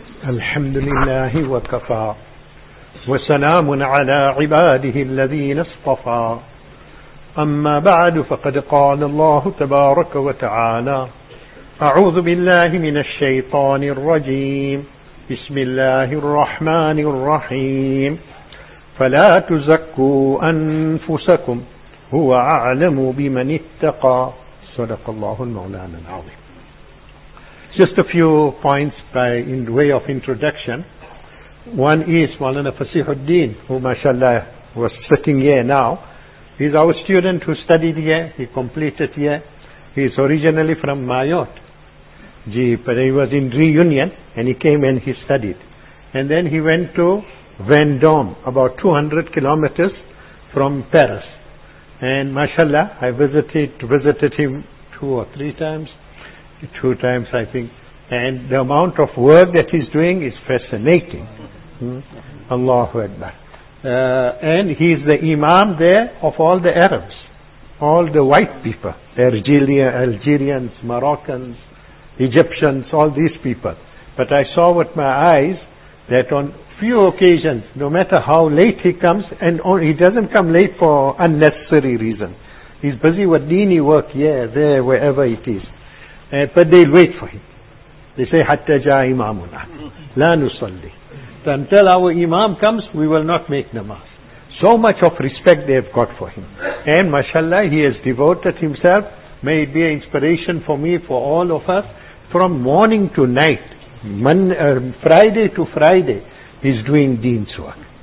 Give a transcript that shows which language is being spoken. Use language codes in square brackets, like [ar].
[ar] الحمد لله وكفى وسلام على عباده الذين اصطفى، أما بعد، فقد قال الله تبارك وتعالى: أعوذ بالله من الشيطان الرجيم، بسم الله الرحمن الرحيم: فلا تزكوا أنفسكم هو أعلم بمن اتقى، صدق الله المولانا العظيم. [en] Just a few points by in way of introduction. One is Maulana Fasihuddin, who mashallah was sitting here now. He's our student who studied here. He completed here. He's originally from Mayotte. But he was in Reunion and he came and he studied. And then he went to Vendôme, about 200 kilometers from Paris. And mashallah, I visited him two or three times I think, and the amount of work that he's doing is fascinating. Allahu Akbar. And he's the imam there of all the Arabs, all the white people, Algerians, Moroccans, Egyptians, all these people. But I saw with my eyes that on few occasions, no matter how late he comes, and he doesn't come late for unnecessary reason, he's busy with dini work here, there, wherever it is. But they wait for him. [ar] They say, حَتَّ جَا إِمَامُنَا لَا نُصَلِّ. [en] So until our imam comes, we will not make namaz. So much of respect they have got for him. And mashallah, he has devoted himself. May it be an inspiration for me, for all of us. From morning to night, Friday to Friday, he's doing deen's work.